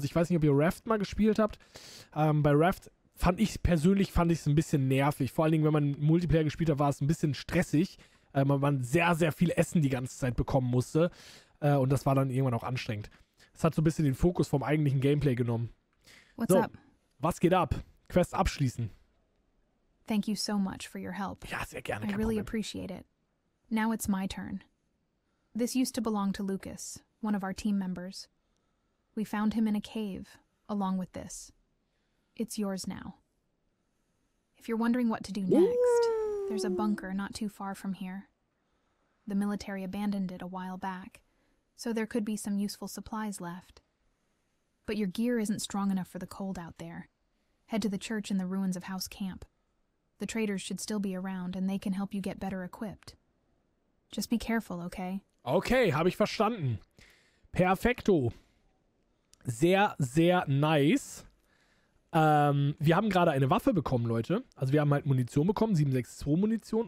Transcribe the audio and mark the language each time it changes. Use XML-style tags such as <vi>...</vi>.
<de>Also ich weiß nicht, ob ihr Raft mal gespielt habt. Bei Raft fand ich es ein bisschen nervig. Vor allen Dingen, wenn man Multiplayer gespielt hat, war es ein bisschen stressig, weil man sehr, sehr viel Essen die ganze Zeit bekommen musste. Und das war dann irgendwann auch anstrengend. Das hat so ein bisschen den Fokus vom eigentlichen Gameplay genommen.</de> <en>What's up?</en> <de>Was geht ab? Quest abschließen.</de> <en>Thank you so much for your help.</en> <de>Ja, sehr gerne.</de> <en>I really appreciate it. Now it's my turn. This used to belong to Lucas, one of our team members. We found him in a cave, along with this. It's yours now. If you're wondering what to do next, there's a bunker not too far from here. The military abandoned it a while back, so there could be some useful supplies left. But your gear isn't strong enough for the cold out there. Head to the church in the ruins of House Camp. The traders should still be around, and they can help you get better equipped. Just be careful, okay?</en> <de>Okay, habe ich verstanden. Perfekto. Sehr, sehr nice. Wir haben gerade eine Waffe bekommen, Leute. Also wir haben halt Munition bekommen, 762 Munition.</de>